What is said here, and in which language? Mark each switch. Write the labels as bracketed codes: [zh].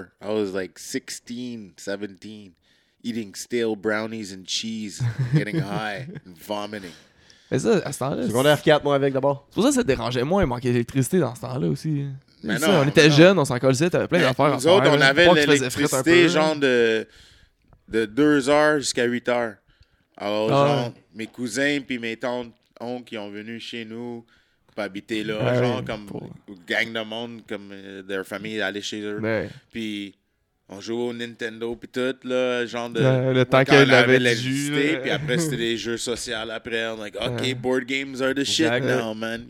[en] I was like 16, 17, eating stale brownies and cheese, getting high, and vomiting. [fr] Mais ça, à ce temps-là... Secondaire 4, moi, avec, d'abord. C'est pour ça que ça te dérangeait moins, il manquait d'électricité dans ce temps-là aussi. Mais non, ça, on était jeunes, on s'en collait, t'avais plein d'affaires. Nous autres, on avait l'électricité, genre de 2h jusqu'à 8h. Alors, genre, mes cousins puis mes tantes qui ont venu chez nous pour habiter là, ouais, genre comme pour... gang de monde, comme leur famille allait chez eux. Puis on jouait au Nintendo puis tout, là, genre de... Le temps qu'elle avait l'électricité, puis après c'était des jeux sociaux après. [en] On like, OK, board games are the shit now, man.